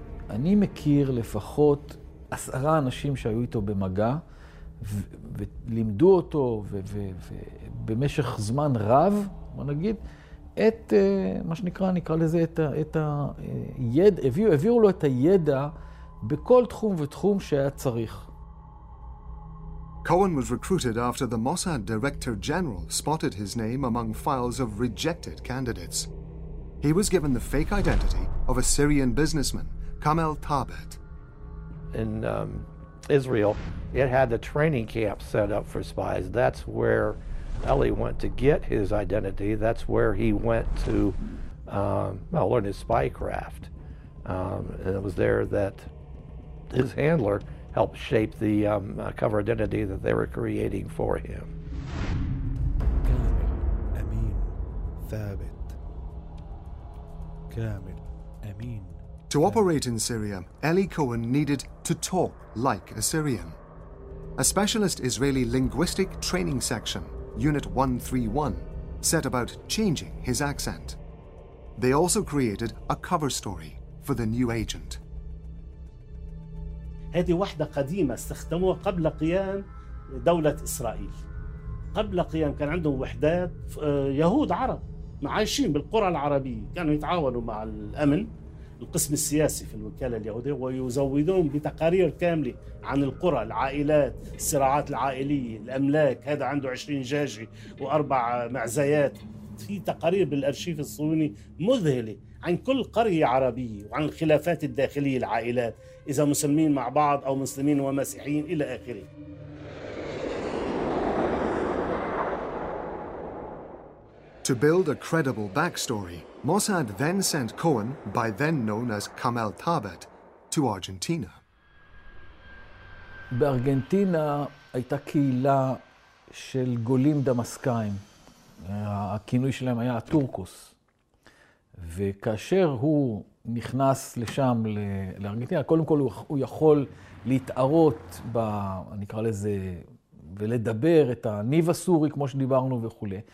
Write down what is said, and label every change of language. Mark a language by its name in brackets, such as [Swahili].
[Hebrew] אני מכיר לפחות 10 אנשים שהיו איתו במגע, ולימדו אותו במשך זמן רב, בוא נגיד, את מה שנקרא, נקרא לזה, את הידע, הביאו לו את הידע בכל תחום ותחום שהיה צריך. [English] Cohen was recruited after the Mossad director general spotted his name among files of rejected candidates. He was given the fake identity of a Syrian businessman, Kamel Tabet. In Israel, it had the training camp set up for spies. That's where Eli went to get his identity. That's where he went to learn his spy craft. And it was there that his handler help shape the cover identity that they were creating for him. Kamel Amin Thabit. Kamel Amin. To operate in Syria, Eli Cohen needed to talk like a Syrian. A specialist Israeli linguistic training section, Unit 131, set about changing his accent. They also created a cover story for the new agent. [Arabic] هذه وحده قديمه استخدموها قبل قيام دوله اسرائيل قبل قيام كان عندهم وحدات يهود عرب عايشين بالقرى العربيه كانوا يتعاونوا مع الامن القسم السياسي في الوكاله اليهوديه ويزودون بتقارير كامله عن القرى العائلات الصراعات العائليه الاملاك هذا عنده 20 جاجي واربع معزيات في تقارير بالارشيف الصهيوني مذهله عن كل قريه عربيه وعن الخلافات الداخليه العائلات اذا مسلمين مع بعض او مسلمين ومسيحيين الى اخره [English] To build a credible backstory, Mossad then sent Cohen, by then known as Kamel Tabet, to Argentina. [Hebrew] בארגנטינה הייתה קהילה של גולים דמאסקאים. הכינוי שלהם היה טורקוס. וכאשר הוא נכנס לשם לארגנטינה, קודם כל הוא יכול להתארות ב, אני אקרא לזה, ולדבר את הניב הסורי כמו שדיברנו וכו'.